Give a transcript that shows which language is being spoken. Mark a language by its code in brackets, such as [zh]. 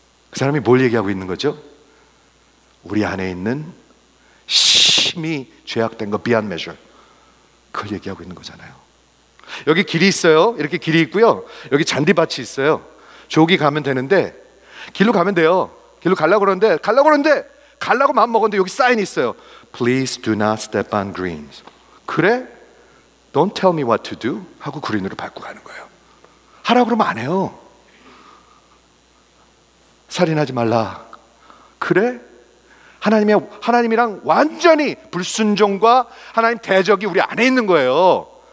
[ko] 그 사람이 뭘 얘기하고 있는 거죠? 우리 안에 있는 심히 죄악된 거 [en] beyond measure. [ko] 그걸 얘기하고 있는 거잖아요. 여기 길이 있어요. 이렇게 길이 있고요. 여기 잔디밭이 있어요. 저기 가면 되는데 길로 가면 돼요. 길로 가려고 그러는데 가려고 마음 먹었는데 여기 사인이 있어요. [en] Please do not step on greens. [ko] 그래? [en] Don't tell me what to do. [ko] 하고 그린으로 밟고 가는 거예요. 하라고 그러면 안 해요. 살인하지 말라. 그래? 하나님이랑 완전히 불순종과 하나님 대적이 우리 안에 있는 거예요.